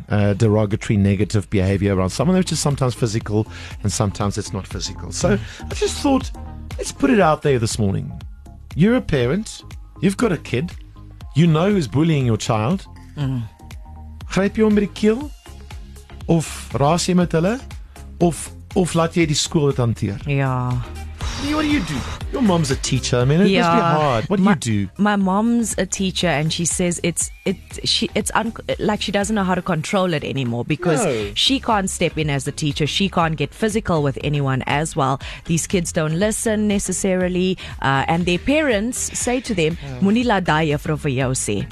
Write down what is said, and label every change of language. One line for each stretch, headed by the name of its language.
English: Derogatory, negative behavior around someone, which is sometimes physical and sometimes it's not physical. So I just thought, let's put it out there this morning. You're a parent. You've got a kid. You know who's bullying your child.
Afrikaans: Gryp jy hom by die keel? Of raas jy met hulle? Of laat jy die skool dit hanteer? Ja.
English: What do you do? Your mom's a teacher. I mean, it must be hard. What do you do? My mom's a teacher, and she says she doesn't know how to control it anymore because she can't step in as a teacher. She can't get physical with anyone as well. These kids don't listen necessarily, and their parents say to them, "Munila daya fro vyosi."